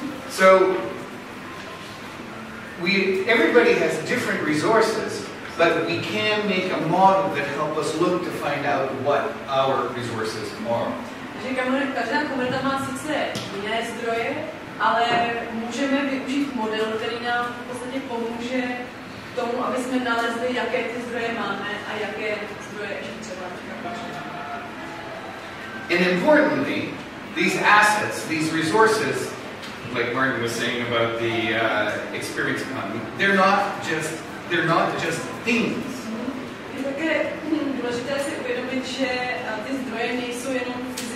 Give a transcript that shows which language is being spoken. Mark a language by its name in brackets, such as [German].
[English] So everybody has different resources, but we can make a model that help us look to find out what our resources are. [Czech] Že každá komunita má sice jiné zdroje, ale můžeme využít model, který nám v podstatě pomůže k tomu, aby jsme nalezli, jaké ty zdroje máme a jaké zdroje ještě třeba máme. [English] And importantly, these assets, these resources, like Martin was saying about the experience economy, they're not just things. [Czech] Je také důležité si uvědomit, že ty zdroje nejsou jenom